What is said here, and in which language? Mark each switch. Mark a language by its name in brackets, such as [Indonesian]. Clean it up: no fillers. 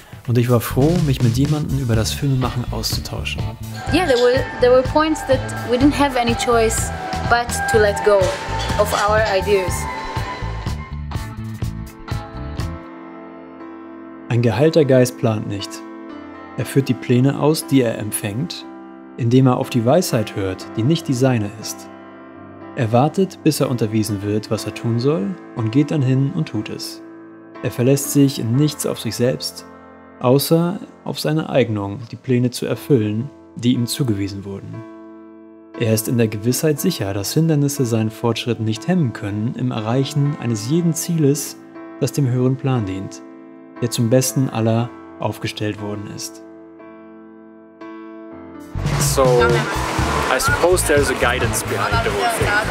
[German] Und ich war froh, mich mit jemandem über das Filmemachen auszutauschen. [English] Yeah, there were points that we didn't have any choice but to let go of our ideas. [German] Ein geheilter Geist plant nicht. Er führt die Pläne aus, die er empfängt, indem er auf die Weisheit hört, die nicht die seine ist. Er wartet, bis er unterwiesen wird, was er tun soll, und geht dann hin und tut es. Er verlässt sich in nichts auf sich selbst, außer auf seine Eignung, die Pläne zu erfüllen, die ihm zugewiesen wurden. Er ist in der Gewissheit sicher, dass Hindernisse seinen Fortschritt nicht hemmen können im Erreichen eines jeden Zieles, das dem höheren Plan dient, der zum Besten aller aufgestellt worden ist. [English] So, I suppose there's a guidance behind the whole thing.